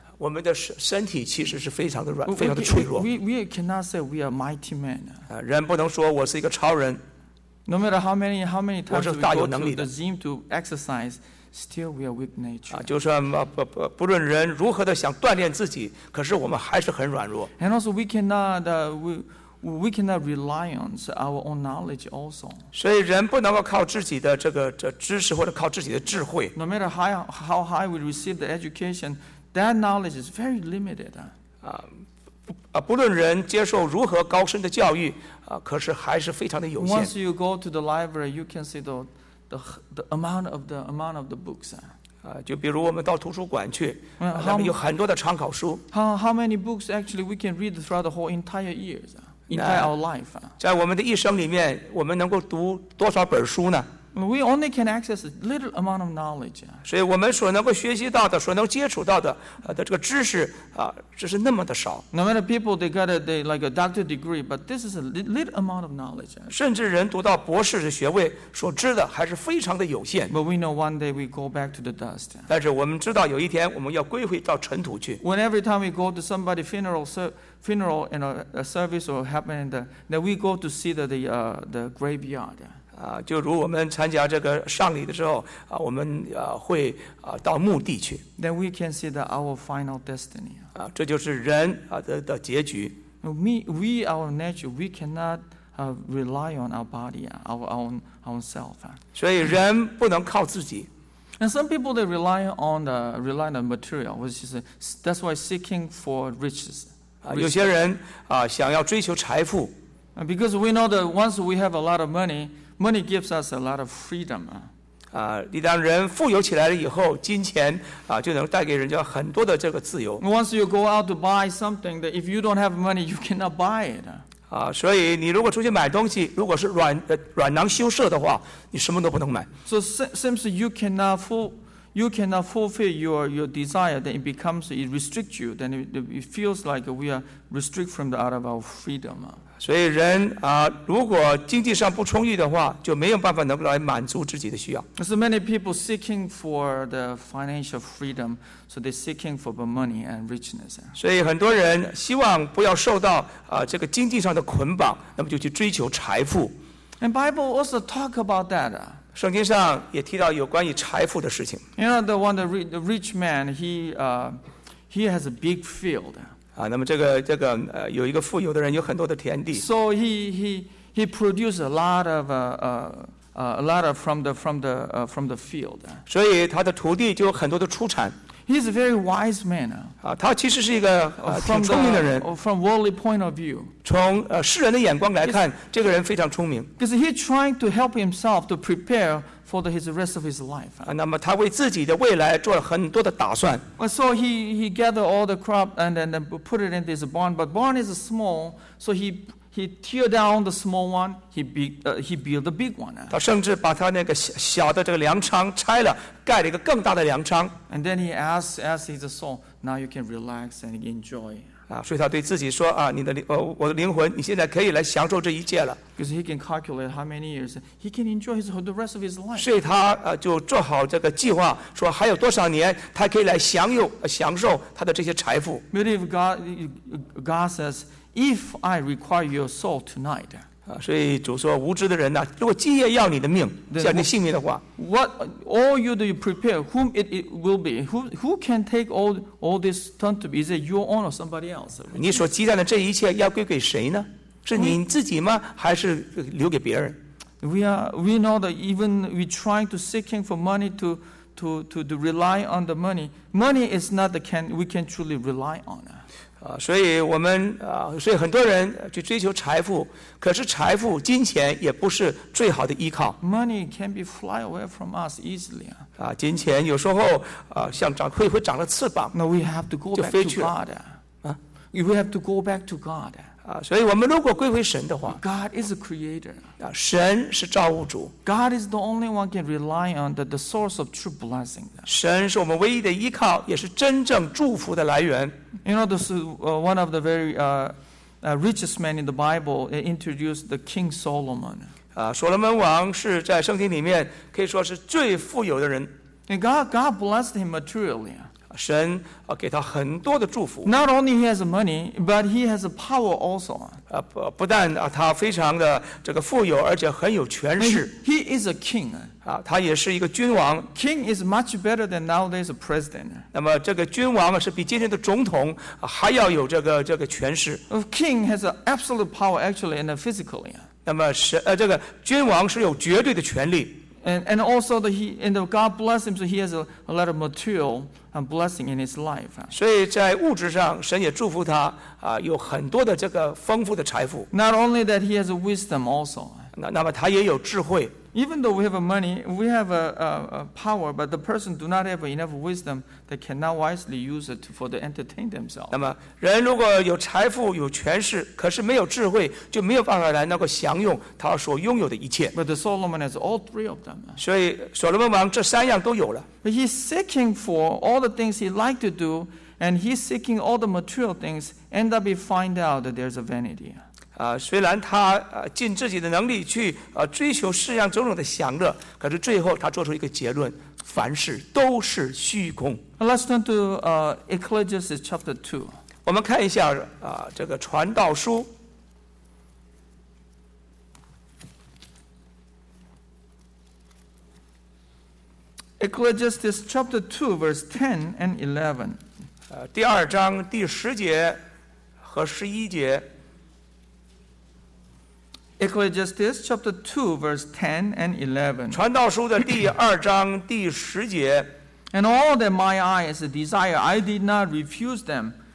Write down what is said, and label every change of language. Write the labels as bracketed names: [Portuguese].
[Chinese] 我们的身体其实是非常的软，非常的脆弱。 [English] We cannot say we are mighty man. [Chinese] 人不能说我是一个超人。 [English] No matter how many times we go to the gym to exercise, still we are weak nature. [Chinese] 就算不论人如何的想锻炼自己，可是我们还是很软弱。 [English] And also we cannot We cannot rely on our own knowledge also. [Chinese] 所以人不能够靠自己的这个这知识或者靠自己的智慧。 [English] No matter how high we receive the education, that knowledge is very limited. [Chinese] 不论人接受如何高深的教育，可是还是非常的有限。 [English] Once you go to the library, you can see the amount of the books. [Chinese] 就比如我们到图书馆去，那么有很多的参考书。 [English] How many books actually we can read throughout the whole entire years? Entire our life. [Chinese] 在我们的一生里面，我们能够读多少本书呢 [English] ？We only can access a little amount of knowledge. [Chinese] 所以我们所能够学习到的，所能接触到的的这个知识只是那么的少。 [English] No matter people they got like a doctor degree, but this is a little amount of knowledge. [Chinese] 甚至人读到博士的学位，所知的还是非常的有限。 [English] But we know one day we go back to the dust. [Chinese] 但是我们知道有一天我们要归回到尘土去。 [English] When every time we go to somebody's funeral, funeral and a service will happen and then we go to see the graveyard. [Chinese] 就如我们参加这个丧礼的时候我们会到墓地去。 [English] Then we can see that our final destiny. [Chinese] 这就是人的结局。 [English] We our nature, we cannot rely on our body, our own self. [Chinese] 所以人不能靠自己。 [English] And some people they rely on the material, which is that's why seeking for riches. [Chinese] 有些人想要追求财富。 [English] Because we know that once we have a lot of money, money gives us a lot of freedom. [Chinese] 一旦人富有起来了以后，金钱就能带给人家很多的这个自由。 [English] Once you go out to buy something, that if you don't have money, you cannot buy it. [Chinese] 所以你如果出去买东西，如果是软囊羞涩的话，你什么都不能买。 [English] So since you cannot fulfill your desire, then it restricts you, then it feels like we are restricted from the out of our freedom. [Chinese] 所以人如果经济上不充裕的话，就没有办法能够来满足自己的需要。 [English] So many people seeking for the financial freedom, so they're seeking for the money and richness. [Chinese] 所以很多人希望不要受到这个经济上的捆绑，那么就去追求财富。 [English] And Bible also talk about that. [Chinese] 圣经上也提到有关于财富的事情。 [English] You know, the one, the rich man, he has a big field. [Chinese] 啊，那么这个有一个富有的人有很多的田地。 [English] So he produced a lot of from the field. [Chinese] 所以他的徒弟就有很多的出产。 [English] He's a very wise man. [Chinese] 啊，他其实是一个挺聪明的人。 [English] From worldly point of view. [Chinese] 从世人的眼光来看，这个人非常聪明。 [English] Because he's trying to help himself to prepare for the rest of his life. [Chinese] 啊，那么他为自己的未来做了很多的打算。 [English] So he gathered all the crop and then put it in this barn. But barn is small, so he tear down the small one. He build the big one. [Chinese] 他甚至把他那个小的这个粮仓拆了，盖了一个更大的粮仓。 [English] And then he asks his soul, "Now you can relax and enjoy." [Chinese] 啊，所以他对自己说啊，你的我的灵魂，你现在可以来享受这一切了。 [English] Because he can calculate how many years he can enjoy the rest of his life. [Chinese] 所以他就做好这个计划，说还有多少年他可以来享受他的这些财富。 [English] But if God says, "If I require your soul tonight." [Chinese] 所以主说无知的人啊，如果今夜要你的命，叫你性命的话， [English] what all you do you prepare, whom it will be, who can take all this turn to be, is it your own or somebody else? [Chinese] 你所积攒的这一切要归给谁呢？是你自己吗？还是留给别人？ [English] We know that even we trying to seeking for money to rely on the money, money is not we can truly rely on it. [Chinese] 所以我们所以很多人去追求财富，可是财富金钱也不是最好的依靠。 [English] Money can be fly away from us easily. [Chinese] 金钱有时候像长会长了翅膀。 [English] No, we have to go back to God. We have to go back to God. [Chinese] 所以我们如果归回神的话， [English] God is a creator. [Chinese] 神是造物主。 [English] God is the only one can rely on the source of true blessing. [Chinese] 神是我们唯一的依靠，也是真正祝福的来源。 [English] You know, this is one of the very richest men in the Bible. It introduced the King Solomon. [Chinese] 所罗门王是在圣经里面可以说是最富有的人。 [English] And God blessed him materially. [Chinese] 神给他很多的祝福。 [English] Not only he has money, but he has a power also. [Chinese] 不但他非常的这个富有，而且很有权势。 [English] He is a king. [Chinese] 他也是一个君王。 [English] King is much better than nowadays a president. [Chinese] 那么这个君王是比今天的总统还要有这个权势。 [English] A king has an absolute power actually and physically. [Chinese] 那么这个君王是有绝对的权力。 [English] And also God bless him, so he has a lot of material and blessing in his life. [Chinese] 所以在物质上，神也祝福他有很多的这个丰富的财富。 [English] Not only that, he has a wisdom also. [Chinese] 那么他也有智慧。 [English] Even though we have money, we have a power, but the person do not have enough wisdom, they cannot wisely use it for to entertain themselves. [Chinese] 那么人如果有财富有权势，可是没有智慧，就没有办法来能够享用他所拥有的一切。 [English] But Solomon has all three of them. [Chinese] 所以所罗门王这三样都有了。 [English] But he's seeking for all the things he liked to do, and he's seeking all the material things, end up he find out that there's a vanity. [Chinese] 虽然他尽自己的能力去追求世上种种的享乐，可是最后他做出一个结论：凡事都是虚空。 [English] Let's turn to Ecclesiastes chapter 2. [Chinese] 我们看一下这个传道书。 [English] Ecclesiastes chapter 2, verse 10 and 11. [Chinese] 第二章第十节和十一节。 [English] Ecclesiastes chapter 2, verse 10 and 11. [Chinese] 传道书的第二章第十节。 [English] And all that my eyes desire, I did not refuse them.